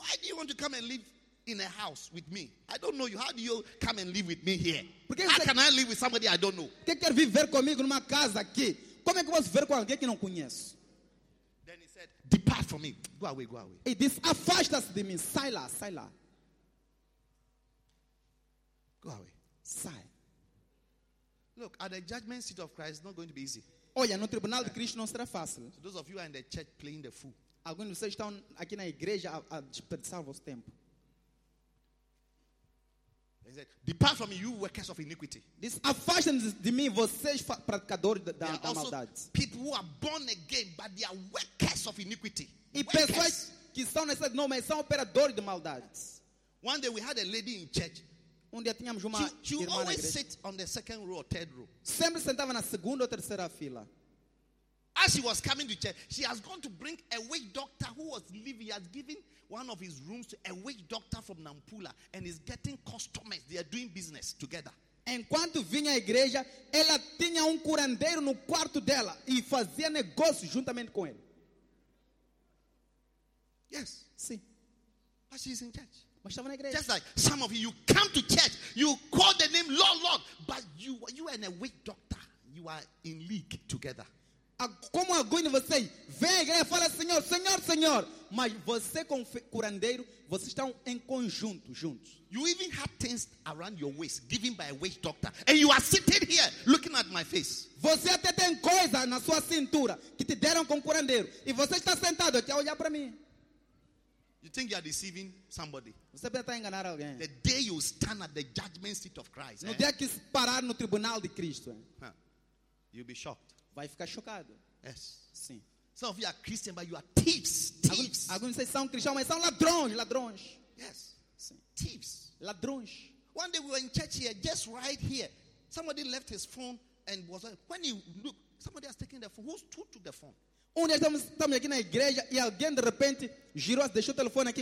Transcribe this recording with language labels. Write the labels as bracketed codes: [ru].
[en] Why do you want to come and live in a house with me? I don't know you. How do you come and live with me here? [pt] Porque [en] how can I live with somebody I don't know? [pt] Que quer viver comigo numa casa aqui? Como é que eu posso viver com alguém que não conheço? [en] Then he said, depart from me. Go away, go away. [pt] E disse, afasta-se de mim. Sai lá, sai lá. [en] Go away. [pt] Sai. [en] Look, at the judgment seat of Christ, it's not going to be easy. [pt] Olha, no tribunal de Cristo não será fácil. [en] So those of you are in the church playing the fool. [pt] Alguns de vocês estão aqui na igreja a desperdiçar o vosso tempo. [en] He said, depart from me, you workers of iniquity. This affection [pt] de mim, vocês praticadores da maldade. [en] People who are born again, but they are workers of iniquity. [pt] E pessoas que estão nessa, não, mas são operadores de maldade. [en] One day we had a lady in church. She always sit on the second row or third row. [pt] Sempre sentava na segunda ou terceira fila. [en] As she was coming to church, she has gone to bring a witch doctor who was living. He has given one of his rooms to a witch doctor from Nampula and is getting customers. They are doing business together. [pt] Enquanto vinha à igreja, ela tinha curandeiro no quarto dela e fazia negócio juntamente com ele. [en] Yes. [pt] Sim. [en] But she's in church. Just like some of you come to church, you call the name Lord, Lord, but you and a witch doctor, you are in league together. [pt] Como alguém de vocês vem à igreja e fala Senhor, Senhor, Senhor, mas você com curandeiro, vocês estão em conjunto, juntos. [en] You even have things around your waist given by a witch doctor, and you are sitting here looking at my face. [pt] Você até tem coisa na sua cintura que te deram com curandeiro, e você está sentado aqui a olhar para mim. [en] You think you are deceiving somebody? [pt] Você pode estar enganando alguém. [en] The day you stand at the judgment seat of Christ. [pt] No dia que parar no tribunal de Cristo. [en] You'll be shocked. [pt] Vai ficar chocado. [en] Yes. [pt] Sim. [en] Some of you are Christian, but you are thieves. Thieves. [pt] Alguns de vocês são cristãos, mas são ladrões, ladrões. [en] Yes. [pt] Sim. [en] Thieves. [pt] Ladrões. [en] One day we were in church here, just right here. Somebody left his phone and was like, when he looked, somebody has taken the phone. Who took the phone? [pt] Um dia estamos aqui na igreja e alguém de repente girou, deixou o telefone aqui.